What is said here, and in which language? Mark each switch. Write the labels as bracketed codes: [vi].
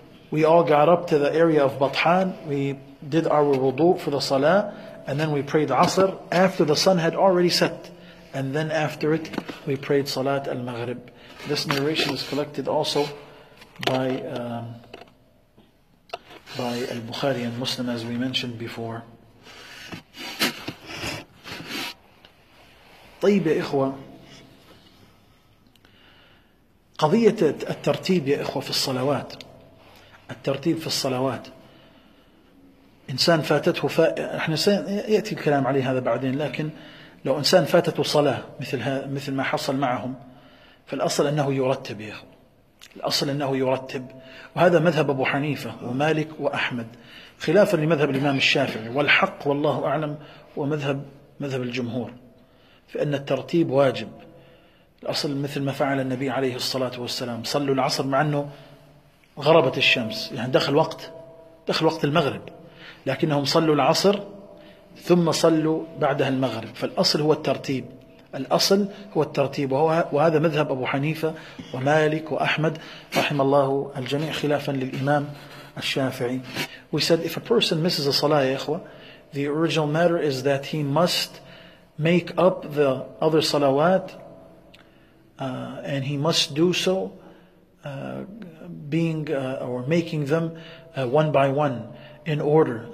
[en] We all got up to the area of Batan, we did our wudu for the salah, and then we prayed Asr after the sun had already set. And then after it, we prayed Salat al-Maghrib." This narration is collected also by Al-Bukhari and Muslim, as we mentioned before. [ar] طيب يا إخوة، قضية الترتيب يا إخوة في الصلوات، الترتيب في الصلوات، إنسان فاتته إحنا سيأتي الكلام عليه هذا بعدين، لكن لو إنسان فاتته صلاة مثل ما حصل معهم، فالأصل أنه يرتب يا إخوة، الأصل أنه يرتب، وهذا مذهب أبو حنيفة ومالك وأحمد، خلافا لمذهب الإمام الشافعي، والحق والله أعلم ومذهب الجمهور في أن الترتيب واجب. الأصل مثل ما فعل النبي عليه الصلاة والسلام، صلوا العصر مع أنه غربت الشمس، يعني دخل وقت المغرب، لكنهم صلوا العصر ثم صلوا بعدها المغرب. فالأصل هو الترتيب، الأصل هو الترتيب، وهذا مذهب أبو حنيفة ومالك وأحمد رحم الله الجميع، خلافا للإمام الشافعي. [en] We said if a person misses a salah, [ar] يا إخوة, [en] the original matter is that he must make up the other salawat, and he must do so making them one by one in order.